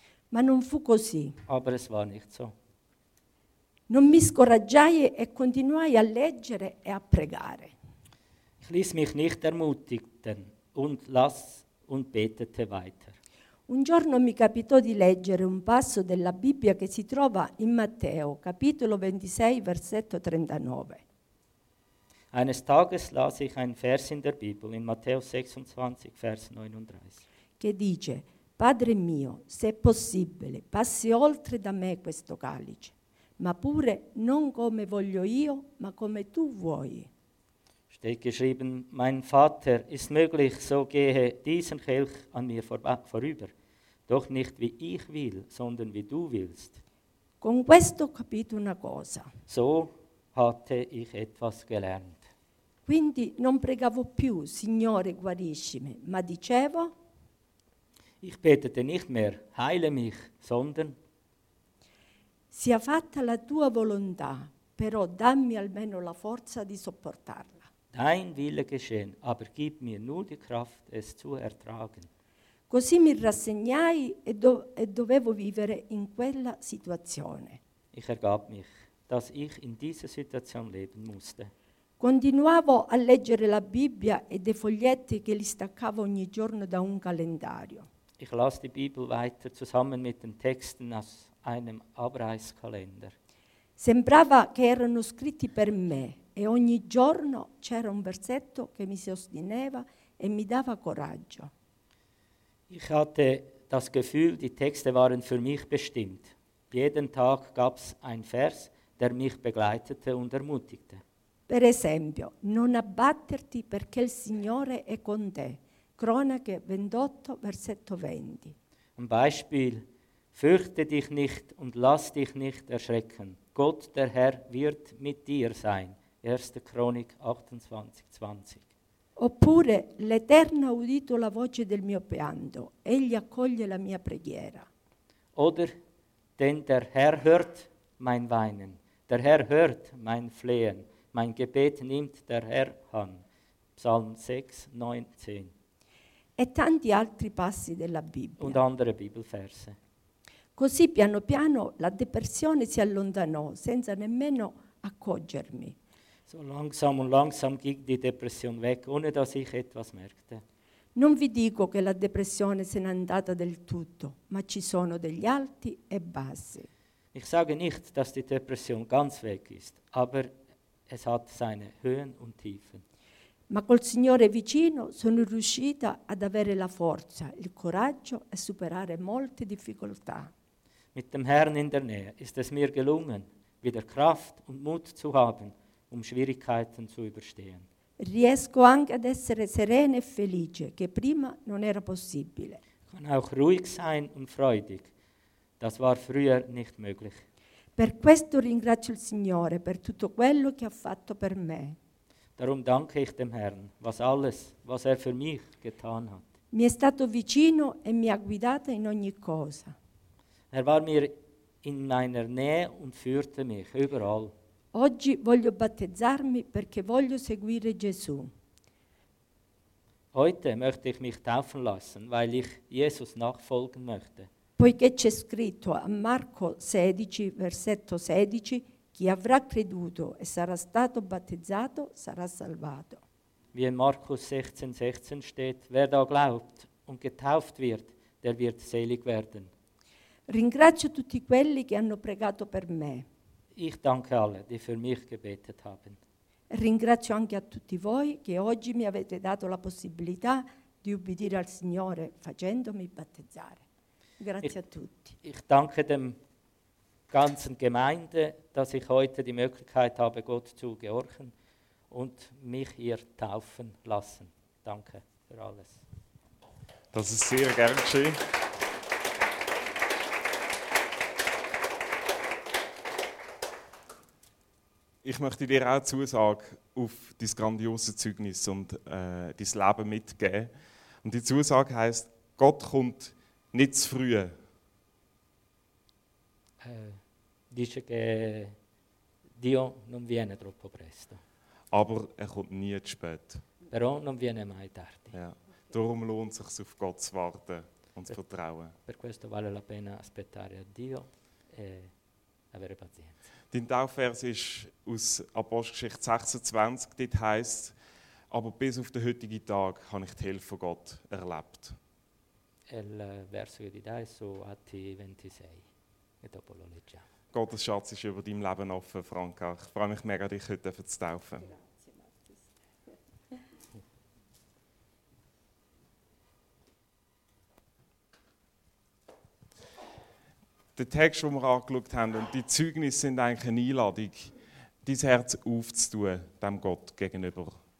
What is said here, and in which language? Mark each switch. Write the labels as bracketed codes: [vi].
[it] Ma non fu così. [de] Aber es war nicht so. [it] Non mi scoraggiai e continuai a leggere e a pregare. [de] Ich ließ mich nicht ermutigen und betete weiter. [it] Un giorno mi capitò di leggere un passo della Bibbia che si trova in Matteo, capitolo 26, versetto 39. [de] Eines Tages las ich ein Vers in der Bibel, in Matteo 26, Vers 39. [it] Che dice, Padre mio, se è possibile, passi oltre da me questo calice, ma pure non come voglio io, ma come tu vuoi. [de] Steht geschrieben, mein Vater, ist möglich, so gehe diesen Kelch an mir vorüber. Doch nicht wie ich will, sondern wie du willst. [it] Con questo ho capito una cosa. [de] So hatte ich etwas gelernt. [it] Quindi non pregavo più, Signore guariscimi, ma dicevo. [de] Ich betete nicht mehr, heile mich, sondern. [it] Sia fatta la tua volontà, però dammi almeno la forza di sopportarla. [de] Dein Wille geschehen, aber gib mir nur die Kraft, es zu ertragen. [it] Così mi rassegnai e dovevo vivere in quella situazione. [de] Ich ergab mich, dass ich in dieser Situation leben musste. [it] Continuavo a leggere la Bibbia e dei foglietti che li staccavo ogni giorno da un calendario. [de] Ich las die Bibel weiter zusammen mit den Texten aus einem Abreißkalender. [it] Sembrava che erano scritti per me e ogni giorno c'era un versetto che mi sosteneva e mi dava coraggio. [de] Ich hatte das Gefühl, die Texte waren für mich bestimmt. Jeden Tag gab es einen Vers, der mich begleitete und ermutigte. [it] Per esempio, non abbatterti perché il Signore è con te. Cronache 28, versetto 20. [de] Ein Beispiel, fürchte dich nicht und lass dich nicht erschrecken. Gott, der Herr, wird mit dir sein. 1. Chronik 28, 20. [it] Oppure l'Eterno ha udito la voce del mio pianto, egli accoglie la mia preghiera. [de] Oder denn der Herr hört mein Weinen, der Herr hört mein Flehen, mein Gebet nimmt der Herr an. Psalm 6, 9, 10. [it] E tanti altri passi della Bibbia. [de] Und andere Bibelverse. [it] Così piano piano la depressione si allontanò senza nemmeno accorgermi. [de] So langsam und langsam ging die Depression weg, ohne dass ich etwas merkte. [it] Non vi dico che la depressione se n'è andata del tutto, ma ci sono degli alti e bassi. [de] Ich sage nicht, dass die Depression ganz weg ist, aber es hat seine Höhen und Tiefen. [it] Ma col Signore vicino sono riuscita ad avere la forza, il coraggio e superare molte difficoltà. [de] Mit dem Herrn in der Nähe ist es mir gelungen, wieder Kraft und Mut zu haben, um Schwierigkeiten zu überstehen. [it] Riesco anche ad essere serena e felice, che prima non era possibile. [de] Kann auch ruhig sein und freudig. Das war früher nicht möglich. [it] Per questo ringrazio il Signore per tutto quello che ha fatto per me. [de] Darum danke ich dem Herrn, was alles, was er für mich getan hat. [it] Mi è stato vicino e mi ha guidata in ogni cosa. [de] Er war mir in meiner Nähe und führte mich überall. [it] Oggi voglio battezzarmi perché voglio seguire Gesù. [de] Heute möchte ich mich taufen lassen, weil ich Jesus nachfolgen möchte. [it] Poiché c'è scritto a Marco 16, versetto 16, chi avrà creduto e sarà stato battezzato sarà salvato. [de] Wie in Markus 16, 16 steht, wer da glaubt und getauft wird, der wird selig werden. [it] Ringrazio tutti quelli che hanno pregato per me. [de] Ich danke allen, die für mich gebetet haben. [it] Ringrazio anche a tutti voi che oggi mi avete dato la possibilità di ubbidire al Signore facendomi battezzare. Grazie a tutti. [de] Ich danke dem ganzen Gemeinde, dass ich heute die Möglichkeit habe, Gott zu gehorchen und mich hier taufen lassen. Danke für alles. Das ist sehr gern geschehen. Ich möchte dir auch Zusage auf dein grandioses Zeugnis und dein Leben mitgeben. Und die Zusage heisst, Gott kommt nicht zu früh. [it] Dice che Dio non viene troppo presto. [de] Aber er kommt nie zu spät. [it] Però non viene mai tardi. [de] Ja. Darum lohnt es sich, auf Gott zu warten und zu vertrauen. [it] Per questo vale la pena aspettare a Dio e avere pazienza. [de] Dein Taufvers ist aus Apostelgeschichte 26, dort heisst, aber bis auf den heutigen Tag habe ich die Hilfe von Gott erlebt. [it] Il verso di da so Atti 26, e dopo lo leggiamo. [de] Gottes Schatz ist über deinem Leben offen, Franca. Ich freue mich mega, dich heute zu taufen. Der Text, den wir angeschaut haben, und die Zeugnisse sind eigentlich eine Einladung, dein Herz aufzutun, dem Gott gegenüber.